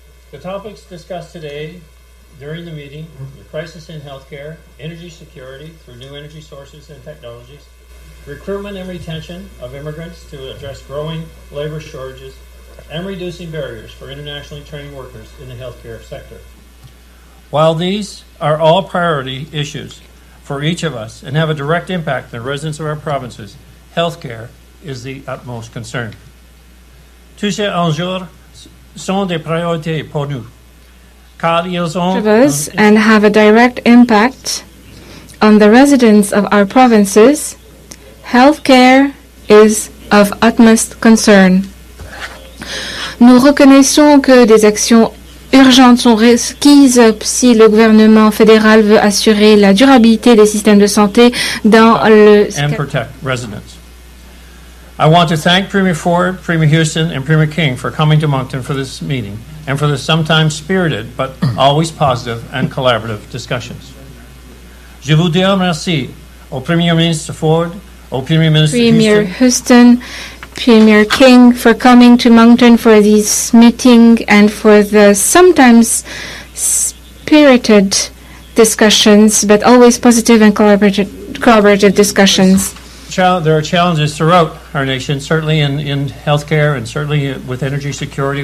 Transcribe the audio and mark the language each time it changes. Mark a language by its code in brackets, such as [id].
[en] The topics discussed today during the meeting, the crisis in healthcare, energy security through new energy sources and technologies, recruitment and retention of immigrants to address growing labor shortages, and reducing barriers for internationally trained workers in the healthcare sector. While these are all priority issues for each of us and have a direct impact on the residents of our provinces, healthcare is the utmost concern. [fr] Tous ces enjeux sont des priorités pour nous, car ils ont [en] and have a direct impact on the residents of our provinces. Healthcare is of utmost concern. [fr] Nous reconnaissons que des actions urgentes sont requises si le gouvernement fédéral veut assurer la durabilité des systèmes de santé dans le [en] and protect residents. I want to thank Premier Ford, Premier Houston, and Premier King for coming to Moncton for this meeting and for the sometimes spirited but always positive and collaborative discussions. [fr] Je vous dis merci au Premier ministre Ford. [en] Premier Houston, Premier King, for coming to Moncton for this meeting and for the sometimes spirited discussions, but always positive and collaborative discussions. There are challenges throughout our nation, certainly in healthcare and certainly with energy security.